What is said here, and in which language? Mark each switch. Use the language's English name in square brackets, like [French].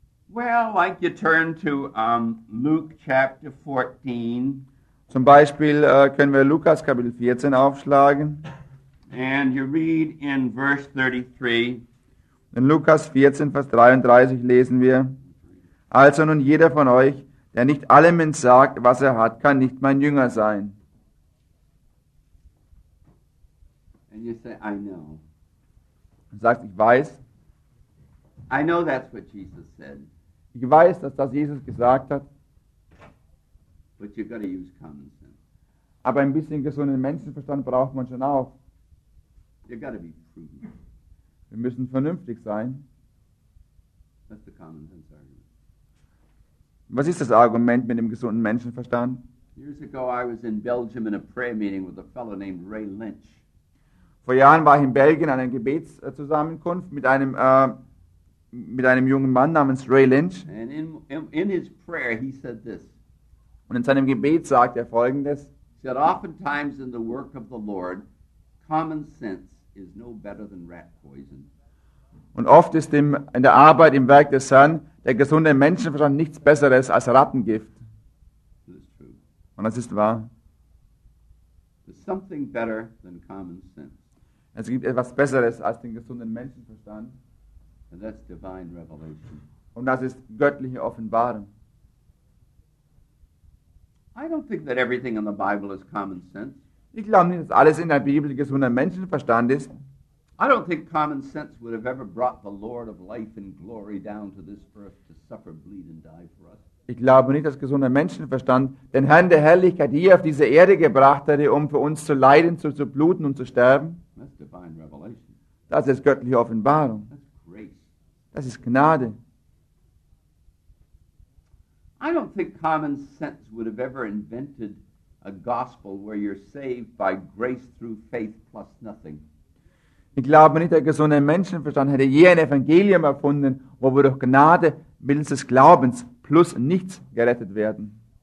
[English] Well, like you turn to Luke chapter 14. [German] Zum Beispiel können wir Lukas Kapitel 14 aufschlagen. [English] And you read in verse 33. [German] In Lukas 14, Vers 33 lesen wir, also nun jeder von euch, der nicht allem entsagt, was er hat, kann nicht mein Jünger sein. [English] And you say, I know. [German] Und sagst, ich weiß. [English] I know that's what Jesus said. [German] Ich weiß, dass das Jesus gesagt hat. [English] But you've got to use common sense. [German] Aber ein bisschen gesunden Menschenverstand braucht man schon auch. [English] You've got to be prudent. [German] Wir müssen vernünftig sein. [English] That's the common sense argument. [German] Was ist das Argument mit dem gesunden Menschenverstand? [English] Years ago I was in Belgium in a prayer meeting with a fellow named Ray Lynch. [German] Vor Jahren war ich in Belgien an einer Gebetszusammenkunft mit einem jungen Mann namens Ray Lynch. [English] And in his prayer he said this. [German] Und in seinem Gebet sagt er Folgendes. [English] He said, oftentimes in the work of the Lord, common sense is no better than rat poison. [German] Und oft ist in der Arbeit im Werk des Herrn der gesunde Menschenverstand nichts Besseres als Rattengift. [English] That's true. [German] Und das ist wahr. [English] There's something better than common sense. [German] Es gibt etwas Besseres als den gesunden Menschenverstand. [English] And that's divine revelation. [German] Und das ist göttliche Offenbarung. [English] I don't think that everything in the Bible is common sense. [German] Ich glaube nicht, dass alles in der Bibel gesunder Menschenverstand ist. [English] I don't think common sense would have ever brought the Lord of life and glory down to this earth to suffer, bleed and die for us. [German] Ich glaube nicht, dass gesunder Menschenverstand den Herrn der Herrlichkeit hier auf diese Erde gebracht hätte, um für uns zu leiden, zu bluten und zu sterben. [English] That's divine revelation. [German] Das ist göttliche Offenbarung. [English] That's grace. [German] Das ist Gnade. [English] I don't think common sense would have ever invented a gospel where you're saved by grace through faith plus nothing. [German] Ich glaube nicht, der gesunde Menschenverstand hätte je ein Evangelium erfunden, wo wir durch Gnade mittels des Glaubens plus nichts gerettet werden.